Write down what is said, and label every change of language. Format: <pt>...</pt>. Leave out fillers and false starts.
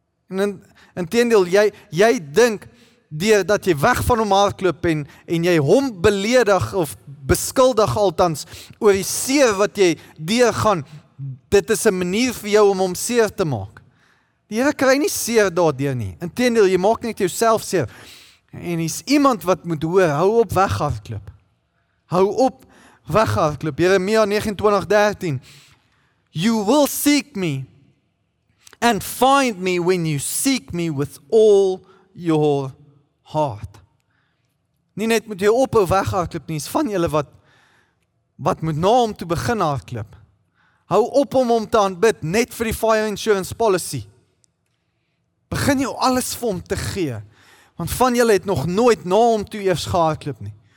<af>En intendeel, jy dink, deur dat jy weg van hom hardloop en jy hom beledig of beskuldig althans, oor die seer wat jy deurgaan, dit is 'n manier vir jou om hom seer te maak. Die Here kry nie seer daardeur nie. Intendeel, jy maak net jouself seer. En is iemand wat moet hoor, hou op weghardloop. Hou op weghardloop. Jeremia 29:13.</af> <en>You will seek me and find me when you seek me with all your heart.</en> <af>Nie net moet jy op of weghardloop nie, is van julle wat moet na hom toe begin hardloop. Hou op om hom te aanbid, net vir die</af> <en>fire insurance policy.</en> <af>Begin jou alles vir hom te gee. Want van julle het nog nooit na hom toe eers gehardloop nie.</af>